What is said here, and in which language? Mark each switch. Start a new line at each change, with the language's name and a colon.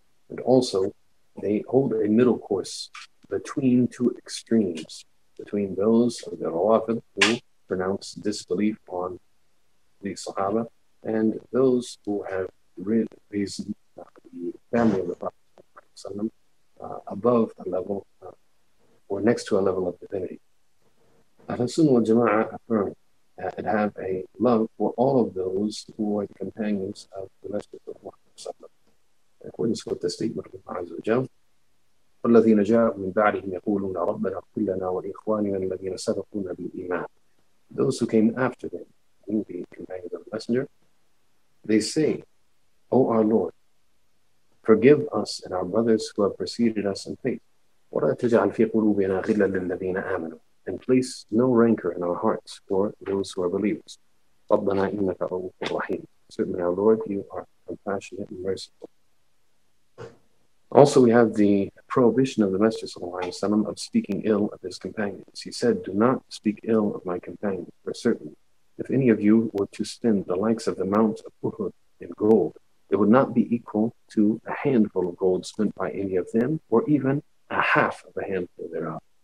English: And also, they hold a middle course between two extremes, between those of the Rawafid who pronounce disbelief on the Sahaba and those who have risen the family of the Prophet above a level or next to a level of divinity. Ahlus Sunnah wal Jama'ah affirm and have a love for all of those who are the companions of the Messenger of Allah. In accordance with the statement of Allah Azza wa Jalla,
Arabic: الذين جاءوا من بعدهم يقولون ربنا اغفر لنا ولإخواننا الذين سبقونا بالإيمان.
English: Those who came after them, who were the companions of the Messenger, they say, O our Lord, forgive us and our brothers who have preceded us in faith.
Arabic: ولا تجعل في قلوبنا غلا للذين آمنوا.
English: And place no rancor in our hearts for those who are believers.
Arabic: رَبَّنَا إِنَّكَ رَوْفُ الرَّحِيمُ.
English: Certainly, our Lord, you are compassionate and merciful. Also, we have the prohibition of the Messenger sallallahu alayhi wa sallam of speaking ill of his companions. He said, do not speak ill of my companions, for certainly, if any of you were to spend the likes of the Mount of Uhud in gold, it would not be equal to a handful of gold spent by any of them, or even a half of a handful thereof.